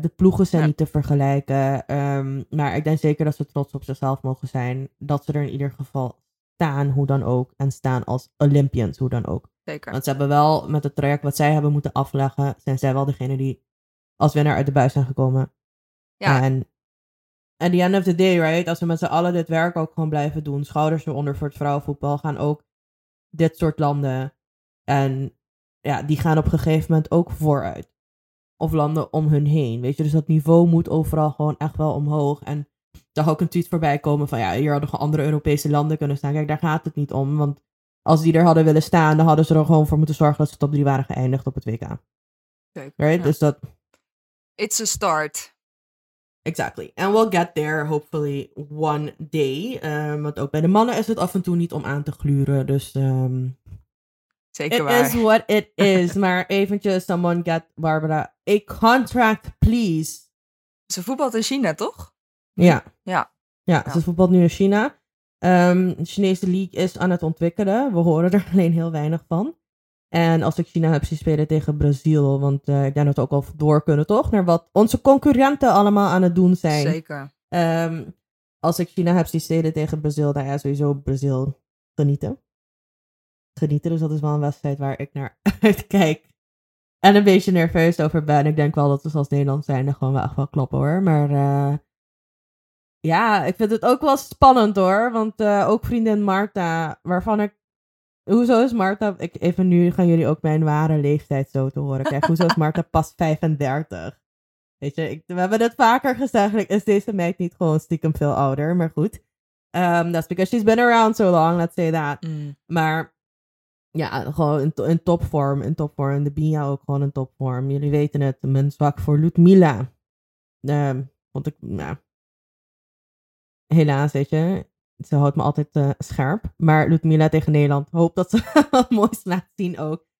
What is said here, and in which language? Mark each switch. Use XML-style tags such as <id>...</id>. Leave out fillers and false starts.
<nl>De ploegen zijn niet te vergelijken. Maar ik denk zeker dat ze trots op zichzelf mogen zijn. Dat ze er in ieder geval staan, hoe dan ook. En staan als Olympians, hoe dan ook. Zeker. Want ze hebben wel met het traject wat zij hebben moeten afleggen, zijn zij wel degene die als winnaar uit de buis zijn gekomen. Ja.</nl> <en>En at the end of the day, right?</en> <nl>Als we met z'n allen dit werk ook gewoon blijven doen, schouders eronder voor het vrouwenvoetbal, gaan ook dit soort landen. En ja, die gaan op een gegeven moment ook vooruit. Of landen om hun heen. Weet je, dus dat niveau moet overal gewoon echt wel omhoog. En daar zou ook een tweet voorbij komen van, ja, hier hadden gewoon andere Europese landen kunnen staan. Kijk, daar gaat het niet om. Want als die er hadden willen staan, dan hadden ze er gewoon voor moeten zorgen dat ze top 3 waren geëindigd op het WK. Kijk, right? Ja. Dus dat,</nl> <en>it's a start. Exactly. And we'll get there, hopefully, one day.</en> <nl>Want ook bij de mannen is het af en toe niet om aan te gluren. Dus zeker</nl> <en>it</en> <nl>waar.</nl> <en>Is what it is.</en> <nl>Maar eventjes,</nl> <en>someone get Barbara a contract, please.</en> <nl>Ze voetbalt in China, toch? Ja. Ja. Ja, ze voetbalt nu in China. De Chinese league is aan het ontwikkelen. We horen er alleen heel weinig van. En als ik China heb zien spelen tegen Brazil, want ik denk dat we ook al door kunnen toch, naar wat onze concurrenten allemaal aan het doen zijn. Zeker. Als ik China heb zien spelen tegen Brazil, dan ja, sowieso Brazil genieten. Dus dat is wel een wedstrijd waar ik naar uitkijk. En een beetje nerveus over ben. Ik denk wel dat we als Nederland zijn, dan gewoon wel echt wel kloppen hoor. Maar ja, ik vind het ook wel spannend hoor. Want ook vriendin Marta, waarvan ik... Hoezo is Marta... Even nu gaan jullie ook mijn ware leeftijd zo te horen krijgen. Hoezo is Marta pas 35? Weet je, we hebben het vaker gezegd. Is deze meid niet gewoon stiekem veel ouder? Maar goed.</nl> <en>That's because she's been around so long, let's say that. Mm.</en> <nl>Maar ja, gewoon in topvorm. In topvorm. De Bia ook gewoon in topvorm. Jullie weten het. Mijn zwak voor Ludmila. Want ik... Nou, helaas, weet je, ze houdt me altijd scherp. Maar Ludmila tegen Nederland, hoop dat ze wat moois laat zien ook.</nl>